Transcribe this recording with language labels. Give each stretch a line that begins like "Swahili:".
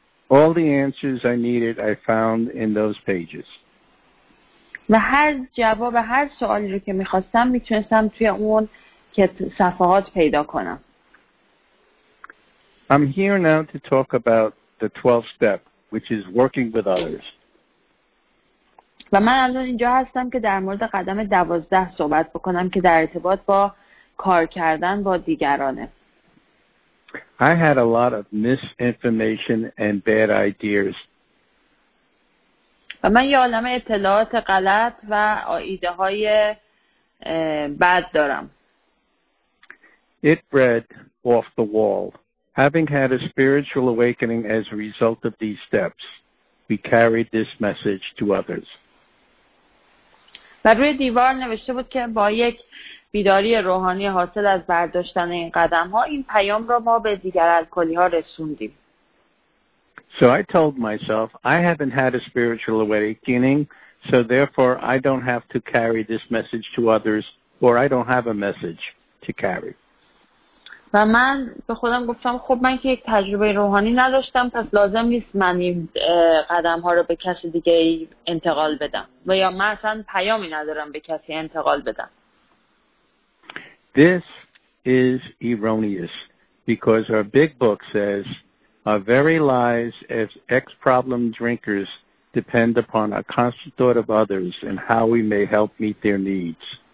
English: All the answers I needed I found in those pages.
Persian: و هر جواب هر سوالی رو که میخواستم میتونستم توی اون صفحات پیدا کنم.
English: I'm here now to talk about the 12th step, which is working with others.
Persian: و من الان اینجا هستم که در مورد قدم 12 صحبت بکنم که در ارتباط با کار کردن با دیگرانه.
English: I had a lot of misinformation and bad ideas.
Persian: و من یه عالمه اطلاعات غلط و ایده های بد دارم.
English: It bred off the wall. Having had a spiritual awakening as a result of these steps, we carried this message to others.
Persian: و روی دیوار نوشته بود که با یک بیداری روحانی حاصل از برداشتن این قدم ها این پیام را ما به دیگر الکلی ها رسوندیم.
English: So I told myself, I haven't had a spiritual awakening, so therefore I don't have to carry this message to others, or I don't have a message to carry.
Persian: و من به خودم گفتم خب من که یک تجربه روحانی نداشتم پس لازم نیست من این قدم ها رو به کسی دیگه انتقال بدم و یا من اصلا پیامی ندارم به کسی انتقال بدم.
English: This is erroneous because our big book says our very lives as ex-problem drinkers depend upon our constant thought of others and how we may help meet their needs.